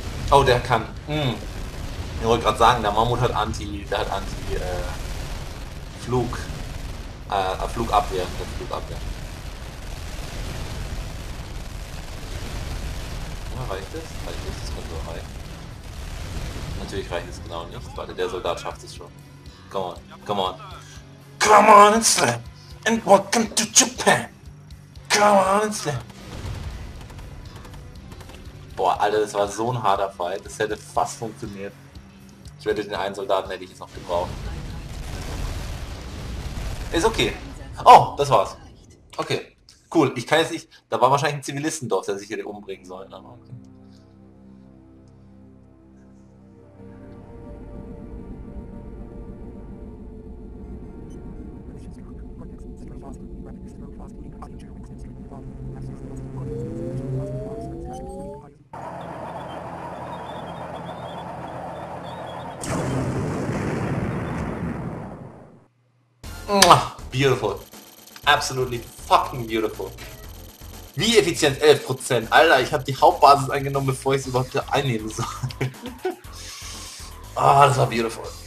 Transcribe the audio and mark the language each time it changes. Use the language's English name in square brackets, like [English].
[German] Oh, der kann. Mh. Ich wollte gerade sagen, der Mammut hat Anti, der hat Anti Flug, Flugabwehr, der Flugabwehr. Ja, reicht es? Reicht es? Das könnte so reichen. Natürlich reicht es genau nicht. Warte, der Soldat schafft es schon. [English] Come on, come on, come on and slam and welcome to Japan. Come on and slam. [German] Boah, Alter, das war so ein harter Fight. Das hätte fast funktioniert. Ich werde den einen Soldaten, hätte ich jetzt noch gebraucht. Ist okay. Oh, das war's. Okay, cool. Ich kann jetzt nicht... Da war wahrscheinlich ein Zivilistendorf, der sich hier umbringen soll. Okay. [English] Beautiful. Absolutely fucking beautiful. [German] Wie effizient? 11%. Alter, ich habe die Hauptbasis eingenommen, bevor ich es überhaupt einnehmen soll. Ah, oh, das war beautiful.